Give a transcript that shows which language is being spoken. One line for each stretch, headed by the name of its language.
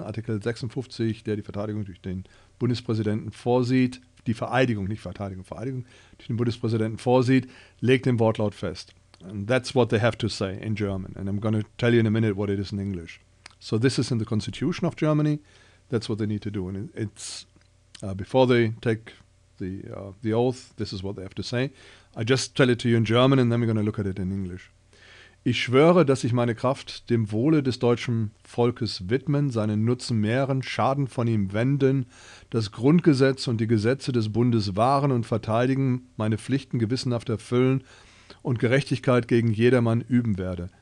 German: Artikel 56, der die Verteidigung durch den Bundespräsidenten vorsieht, die Vereidigung, nicht Verteidigung, Vereidigung, durch den Bundespräsidenten vorsieht, legt den Wortlaut fest.
English: And that's what they have to say in German. And I'm going to tell you in a minute what it is in English. So this is in the constitution of Germany. That's what they need to do. And it's before they take the oath, this is what they have to say. I just tell it to you in German and then we're going to look at it in English.
German: Ich schwöre, dass ich meine Kraft dem Wohle des deutschen Volkes widmen, seinen Nutzen mehren, Schaden von ihm wenden, das Grundgesetz und die Gesetze des Bundes wahren und verteidigen, meine Pflichten gewissenhaft erfüllen und Gerechtigkeit gegen jedermann üben werde.